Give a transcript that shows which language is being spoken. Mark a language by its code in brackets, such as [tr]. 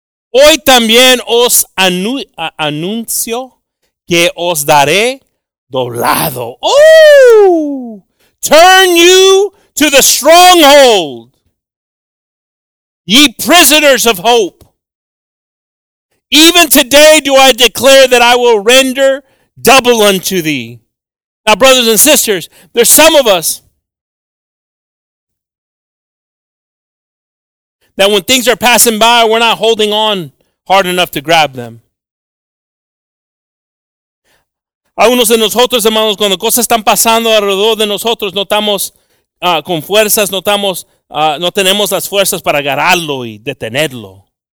[es] Hoy también os anuncio que os daré doblado. Woo! [en] Turn you to the stronghold, ye prisoners of hope. Even today do I declare that I will render double unto thee. Now, brothers and sisters, there's some of us that when things are passing by, we're not holding on hard enough to grab them. [es] Algunos de nosotros, hermanos, cuando cosas están pasando alrededor de nosotros, no estamos con fuerzas, no tenemos las fuerzas para agarrarlo y detenerlo.